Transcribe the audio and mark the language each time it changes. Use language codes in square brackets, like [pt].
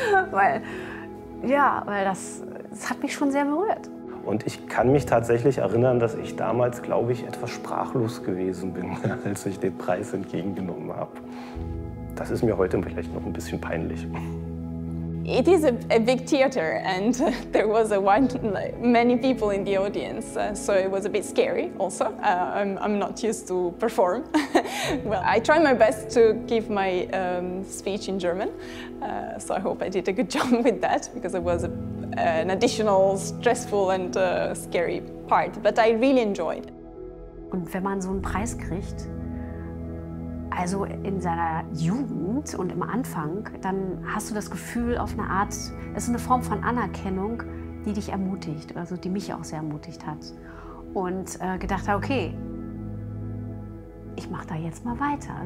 [de] weil das hat mich schon sehr berührt. Und ich kann mich tatsächlich erinnern, dass ich damals, glaube ich, etwas sprachlos gewesen bin, als ich den Preis entgegengenommen habe. Das ist mir heute vielleicht noch ein bisschen peinlich. [en] It is a big theater and there was many people in the audience, so it was a bit scary also. I'm not used to perform. Well, I tried my best to give my speech in German, so I hope I did a good job with that, because it was an additional stressful and scary part, but I really enjoyed. [de] Und wenn man so einen Preis kriegt, also in seiner Jugend und im Anfang, dann hast du das Gefühl auf eine Art, es ist eine Form von Anerkennung, die dich ermutigt, also die mich auch sehr ermutigt hat. Und gedacht, okay, ich mache da jetzt mal weiter.